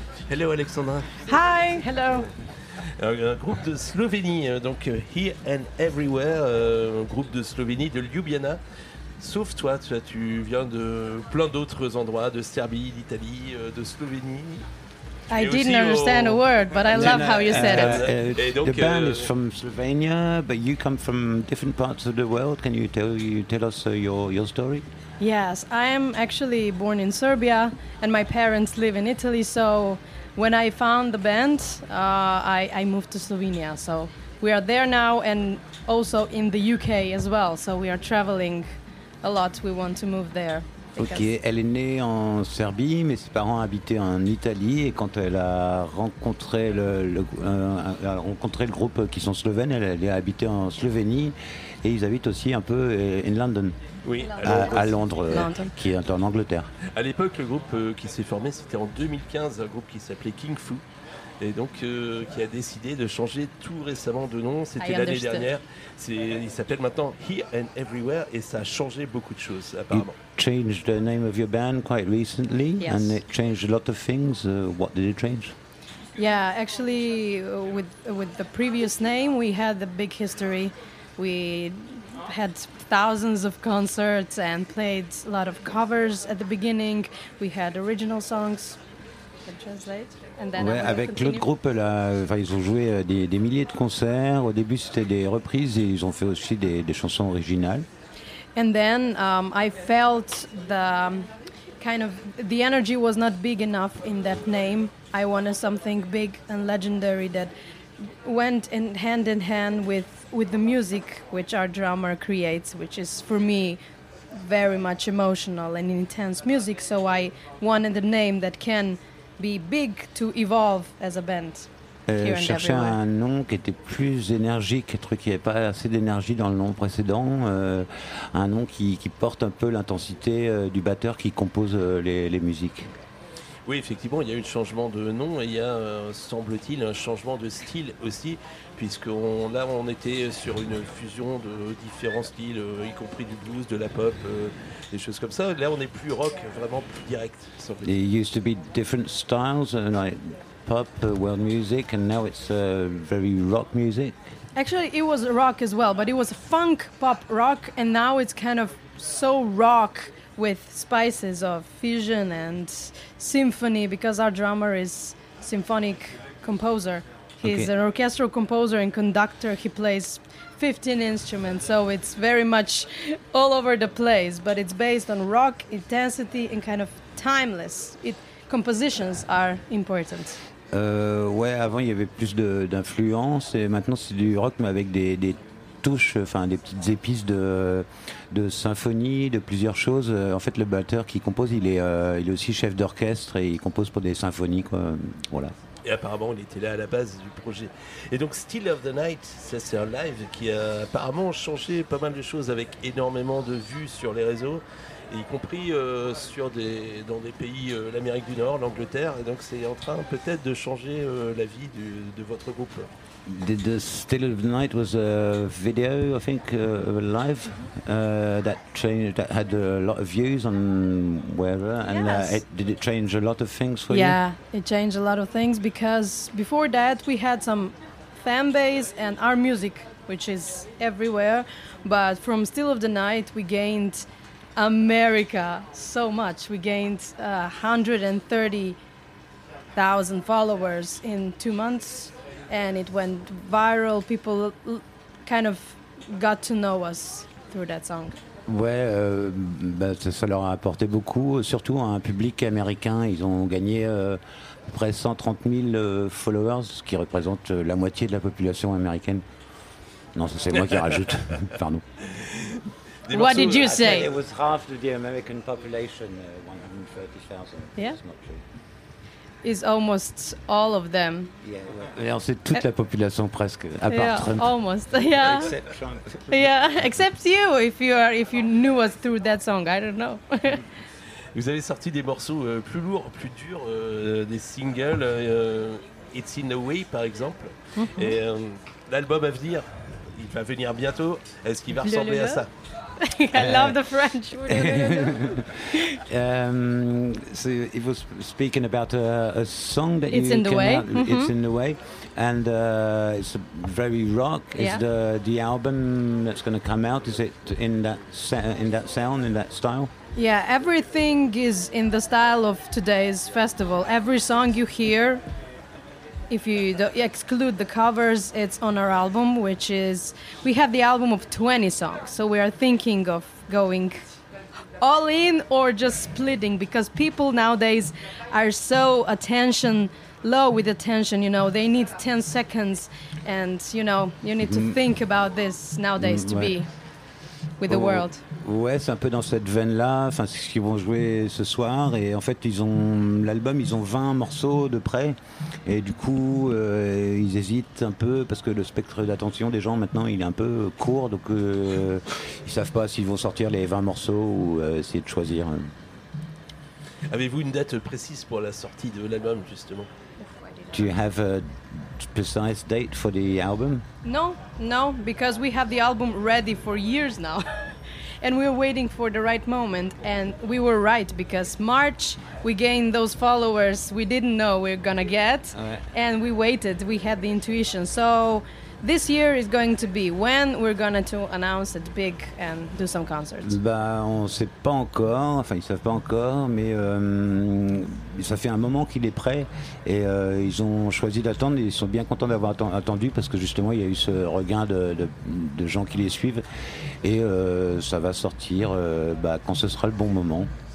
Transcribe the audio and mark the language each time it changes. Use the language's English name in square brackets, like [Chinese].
[English] Hello Alexandra. Hi, hello. [French] Un groupe de Slovénie, donc Here and Everywhere, un groupe de Slovénie de Ljubljana. Sauf toi, tu viens de plein d'autres endroits, de Serbie, d'Italie, de Slovénie. [English] I didn't understand a word, but I love how you said it. The band is from Slovenia, but you come from different parts of the world. Can you tell us your story? Yes, I am actually born in Serbia, and my parents live in Italy. So when I found the band, I moved to Slovenia. So we are there now, and also in the UK as well. So we are traveling a lot. We want to move there. [French] Ok, elle est née en Serbie, mais ses parents habitaient en Italie. Et quand elle a rencontré le groupe qui sont slovènes, elle a habité en Slovénie. Et ils habitent aussi un peu [English] in London. [French] Oui, à Londres. Qui est en Angleterre. À l'époque, le groupe qui s'est formé, c'était en 2015, un groupe qui s'appelait King Fu. Et donc, qui a décidé de changer tout récemment de nom. C'était l'année dernière. Il s'appelle maintenant Here and Everywhere. Et ça a changé beaucoup de choses, apparemment. [English] Changed the name of your band quite recently, yes, and it changed a lot of things. What did it change? Yeah, actually, with the previous name, we had a big history. We had thousands of concerts and played a lot of covers at the beginning. We had original songs. [French] Ouais, avec l'autre groupe, là, ils ont joué des milliers de concerts. Au début, c'était des reprises et ils ont fait aussi des chansons originales. [English] And then I felt the kind of the energy was not big enough in that name. I wanted something big and legendary that went in hand with the music which our drummer creates, which is for me very much emotional and intense music. So I wanted a name that can be big to evolve as a band. [French] Chercher un nom qui était plus énergique, un truc qui n'avait pas assez d'énergie dans le nom précédent, un nom qui porte un peu l'intensité du batteur qui compose les musiques. Oui, effectivement, il y a eu un changement de nom et il y a, semble-t-il, un changement de style aussi, puisqu'on était sur une fusion de différents styles, y compris du blues, de la pop, des choses comme ça. Là, on est plus rock, vraiment plus direct. [English] There used to be different styles, pop, world music, and now it's very rock music. Actually, it was rock as well, but it was funk, pop, rock, and now it's kind of so rock with spices of fusion and symphony because our drummer is symphonic composer. He's an orchestral composer and conductor. He plays 15 instruments, so it's very much all over the place, but it's based on rock intensity and kind of timeless. Compositions are important. [French] Ouais, avant il y avait plus d'influence et maintenant c'est du rock mais avec des touches, enfin des petites épices de symphonie, de plusieurs choses. En fait, le batteur qui compose, il est aussi chef d'orchestre et il compose pour des symphonies, quoi. Voilà. Et apparemment, il était là à la base du projet. Et donc, Still of the Night, ça c'est un live qui a apparemment changé pas mal de choses avec énormément de vues sur les réseaux, y compris dans des pays, l'Amérique du Nord, l'Angleterre. Et donc, c'est en train peut-être de changer la vie de votre groupe. [English] The Still of the Night was a video, I think, live that changed, that had a lot of views on wherever, and yes. Did it change a lot of things for yeah, you? Yeah, it changed a lot of things because before that we had some fan base and our music, which is everywhere, but from Still of the Night we gained America so much. We gained 130,000 followers in 2 months. And it went viral. People kind of got to know us through that song. [French] Ouais, ça leur a apporté beaucoup, surtout à un public américain. Ils ont gagné près de 130 000 followers, ce qui représente la moitié de la population américaine. Non, ça c'est moi qui rajoute. Pardon. [English] What did you say? It was half of the American population, 130,000. Yeah. Is almost all of them. Yeah, well, [French] c'est toute la population presque, à part [English] yeah, Trump. Almost, yeah. Except Trump. Yeah, except you, if you knew us through that song, I don't know. [French] Vous avez sorti des morceaux plus lourds, plus durs, des singles, It's in the Way, par exemple. Mm-hmm. Et l'album à venir, il va venir bientôt. Est-ce qu'il va ressembler à ça? [English] I love the French. So it was speaking about a song that it's you in the way. Mm-hmm. It's in the way, and it's very rock. Yeah. Is the album that's going to come out? Is it in that sound, in that style? Yeah, everything is in the style of today's festival. Every song you hear, if you exclude the covers, it's on our album, which is, we have the album of 20 songs. So we are thinking of going all in or just splitting, because people nowadays are so attention, low with attention, you know, they need 10 seconds. And, you know, you need to think about this nowadays to be with the world. [French] Ouais, c'est un peu dans cette veine-là, enfin, c'est ce qu'ils vont jouer ce soir. Et en fait, ils ont 20 morceaux de près. Et du coup, ils hésitent un peu parce que le spectre d'attention des gens maintenant, il est un peu court. Donc, ils ne savent pas s'ils vont sortir les 20 morceaux ou essayer de choisir. Avez-vous une date précise pour la sortie de l'album, justement? [English] Do you have a precise date for the album? No, because we have the album ready for years now. And we were waiting for the right moment, and we were right, because March, we gained those followers we didn't know we were gonna get, and we waited, we had the intuition. So this year is going to be when we're gonna to announce it big and do some concerts. [French] Bah, on sait pas encore, enfin ils savent pas encore, mais ça fait un moment qu'il est prêt, et ils ont choisi d'attendre, et ils sont bien contents d'avoir attendu, parce que justement il y a eu ce regain de gens qui les suivent. Et ça va sortir quand ce sera le bon moment.